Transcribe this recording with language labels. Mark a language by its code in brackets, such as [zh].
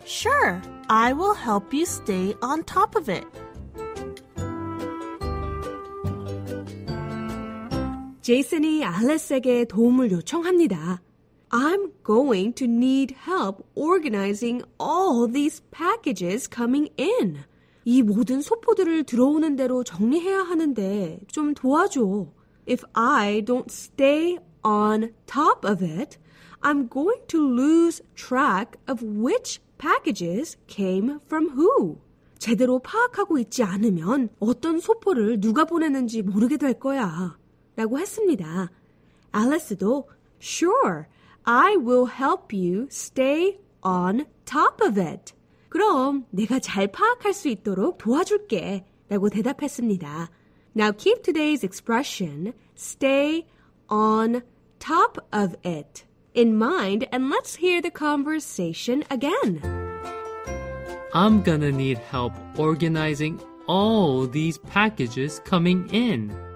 [en] Sure, I will help you stay on top of it. [ko] Jason이 Alice에게 도움을 요청합니다. [en] I'm going to need help organizing all these packages coming in. [ko] 이 모든 소포들을 들어오는 대로 정리해야 하는데 좀 도와줘. [en] If I don't stay on top of it, I'm going to lose track of which packages came from who. [ko] 제대로 파악하고 있지 않으면 어떤 소포를 누가 보냈는지 모르게 될 거야. 라고 했습니다. 앨리스도 [en] Sure, I will help you stay on top of it. [ko] 그럼 내가 잘 파악할 수 있도록 도와줄게. 라고 대답했습니다. [en] Now keep today's expression, stay on top of it, in mind and let's hear the conversation again. I'm gonna need help organizing all these packages coming in.